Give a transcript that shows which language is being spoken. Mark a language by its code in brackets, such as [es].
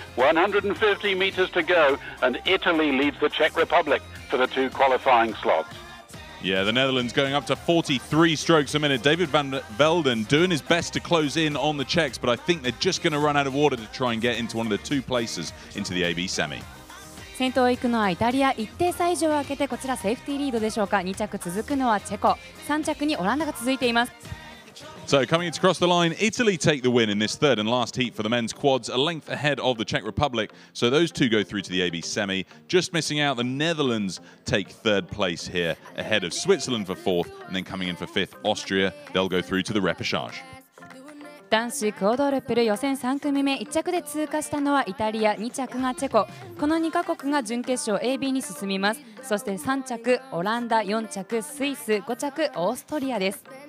[en] 150 meters to go, and Italy leads the Czech Republic for the two qualifying slots. Yeah, the Netherlands going up to 43 strokes a minute. David van Velden doing his best to close in on the Czechs, but I think they're just going to run out of water to try and get into one of the two places into the AB semi. [ja] 先頭を行くのはイタリア、一定差以上を開けてこちらセーフティーリードでしょうか。 2着続くのはチェコ、3着にオランダが続いています。 [en] So coming across the line, Italy take the win in this third and last heat for the men's quads, a length ahead of the Czech Republic. So those two go through to the AB semi. Just missing out, the Netherlands take third place here, ahead of Switzerland for fourth, and then coming in for fifth, Austria. They'll go through to the repêchage. [ja] 男子クオドルプル予選3組目、1着で通過したのはイタリア、2着がチェコ。この2カ国が準決勝 AB に進みます。そして3着、オランダ、4着、スイス、5着、オーストリアです。